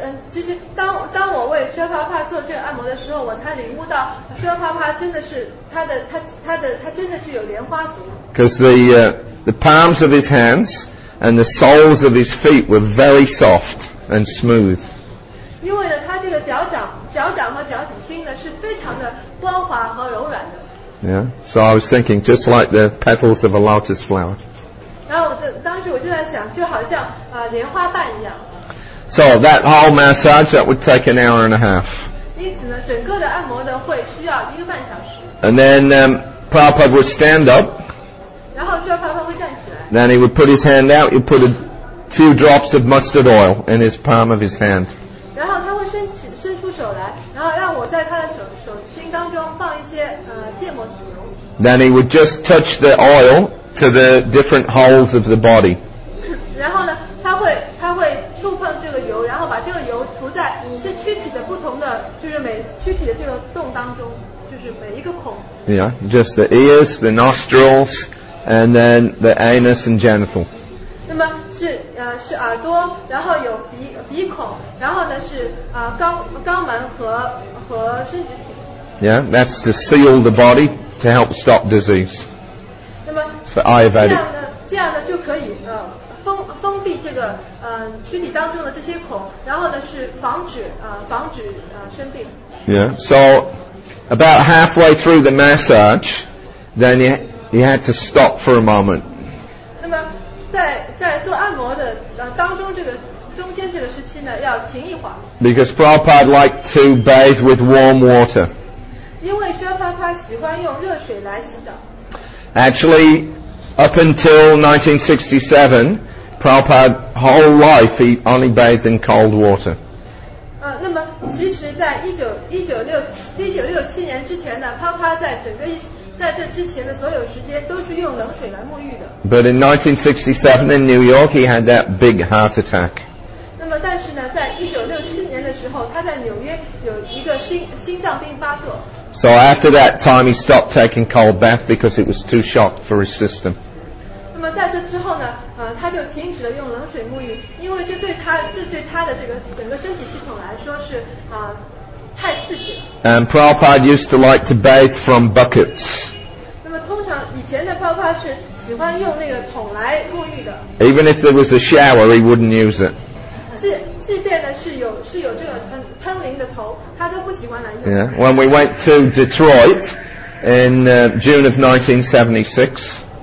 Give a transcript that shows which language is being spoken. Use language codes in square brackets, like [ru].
[zh] 其实当我为薛帕帕做这个按摩的时候，我才领悟到薛帕帕真的是他真的具有莲花足。 [en] Because the palms of his hands and the soles of his feet were very soft and smooth. [zh] 因为呢，他这个脚掌和脚底心呢是非常的光滑和柔软的。 [en] Yeah, so I was thinking just like the petals of a lotus flower. [zh] 然后当时我就在想，就好像莲花瓣一样。 [en] So that whole massage, that would take an hour and a half. [zh] 因此呢，整个的按摩呢会需要一个半小时。 [en] And then Prabhupada would stand up. [zh] 然后需要Prabhupada会站起来。 [en] Then he would put his hand out. You put a few drops of mustard oil in his palm of his hand. [zh] 然后他会伸出手来，然后让我在他的手心当中放一些芥末籽油。 [en] Then he would just touch the oil to the different holes of the body. [zh] 然后呢，他会触碰这个油，然后把这个油涂在是躯体的不同的，就是每躯体的这个洞当中，就是每一个孔。 [en] Yeah, just the ears, the nostrils, and then the anus and genital. [zh] 那么是耳朵，然后有鼻孔，然后呢是肛门和生殖器。 [en] Yeah, that's to seal the body to help stop disease. [zh] 那么 [en] so Ayurvedic. [zh] 这样的就可以封闭这个躯体当中的这些孔，然后呢是防止生病。 [en] Yeah, so about halfway through the massage, then he had to stop for a moment. [zh] 那么在做按摩的当中，这个中间这个时期呢，要停一会儿。 [en] Because Prabhupada liked to bathe with warm water. [zh] 因为薛帕帕喜欢用热水来洗澡。 [en] Actually, up until 1967. Prabhupada's whole life, he only bathed in cold water. [zh] 那么其实在1967年之前呢，Prabhupada在这之前的所有时间都是用冷水来沐浴的。 [en] But in 1967 in New York, he had that big heart attack. [zh] 那么但是呢，在1967年的时候，他在纽约有一个心脏病发作。 [en] So after that time, he stopped taking cold bath because it was too shock for his system. [zh] 那么在这之后呢，他就停止了用冷水沐浴，因为这对他的这个整个身体系统来说是太刺激了。 [en] And Prabhupada used to like to bathe from buckets. [zh] 那么通常以前的 Prabhupada 是喜欢用那个桶来沐浴的。 [en] Even if there was a shower, he wouldn't use it. [zh] 即便呢是有这个喷淋的头，他都不喜欢来用。 [en] Yeah. When we went to Detroit in June of 1976.